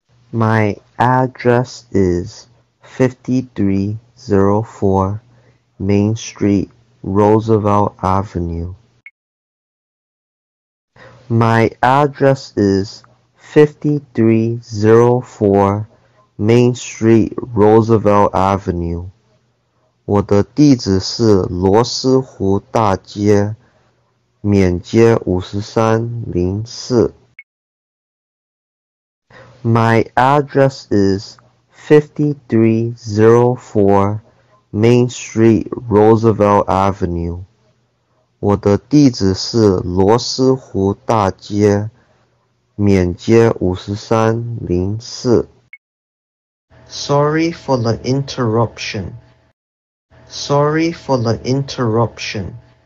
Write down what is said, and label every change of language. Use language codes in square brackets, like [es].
[en] My address is 5304 Main Street, Roosevelt Avenue. My address is 5304 Main Street, Roosevelt Avenue. [zh] 我的地址是罗斯湖大街，缅街5304。 [en] My address is 5304 Main Street, Roosevelt Avenue. [zh] 我的地址是罗斯湖大街，缅街5304。 [en] Sorry for the interruption. Sorry for the interruption.